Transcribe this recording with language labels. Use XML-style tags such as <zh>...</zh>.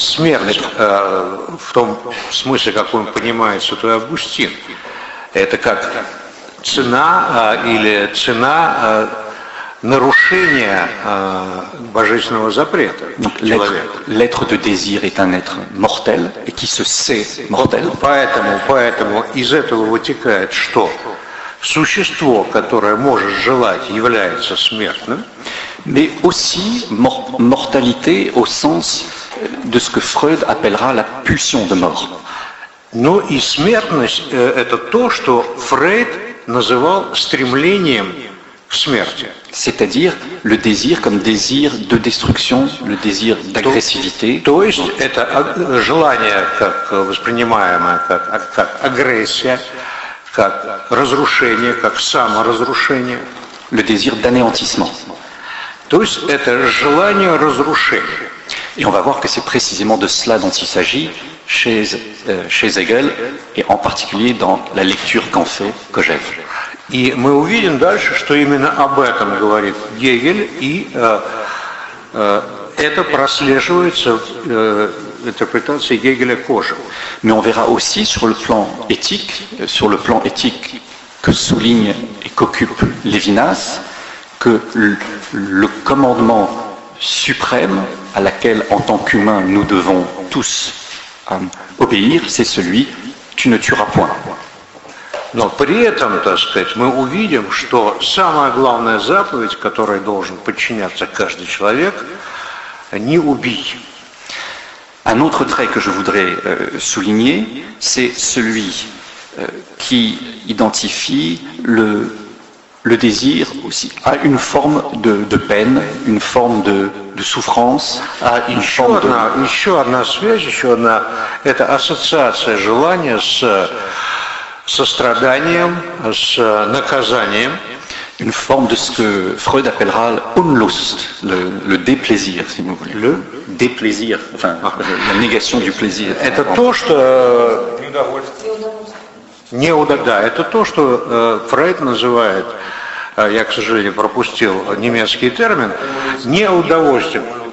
<ru>Смерть, в том смысле, как он понимает святой Августин, это как цена или цена нарушения божественного запрета.</ru> <fr>Donc, l'être de désir est un être mortel et qui se sait mortel.</fr> <ru>Поэтому из этого вытекает, что существо, которое может желать, является смертным.</ru> <fr>Mais aussi mortalité au sens de ce que Freud appellera la pulsion de mort.</fr> <ru>Но и смертность, это то, что Фрейд называл стремлением к смерти.</ru> <fr>C'est-à-dire le désir comme désir de destruction, le désir d'agressivité.</fr> <ru>То есть это желание, как воспринимаемое, как агрессия, как разрушение, как саморазрушение.</ru> <fr>Le désir d'anéantissement.</fr> <ru>То есть это желание разрушения.</ru> <fr>Et on va voir que c'est précisément de cela dont il s'agit chez Hegel, et en particulier dans la lecture qu'en fait Kojève.</fr> <ru>И мы увидим дальше, что именно об этом говорит Гегель, и это прослеживается в интерпретации Гегеля Кожева.</ru> <fr>Mais on verra aussi sur le plan éthique que souligne et qu'occupe Lévinas, que le commandement suprême à laquelle, en tant qu'humain, nous devons tous obéir, c'est celui « tu ne tueras point ».</fr> <ru>Но при этом, так сказать, мы увидим, что самая главная заповедь, которой должен подчиняться каждый человек, не убить.</ru> <fr>Un autre trait que je voudrais souligner, c'est celui qui identifie le désir aussi à une forme de peine, une forme de souffrance, à une forme de...</fr> <ru>Еще одна связь, еще одна, это ассоциация желания с состраданием, с наказанием.</ru> <fr>Une forme de ce que Freud appellera Unlust, le déplaisir, si vous voulez. Le déplaisir, enfin, la négation du plaisir.</fr> <ru>Это то, что... Неудовольствие. Это то, что Фрейд называет, я, к сожалению, пропустил немецкий термин, неудовольствием.</ru>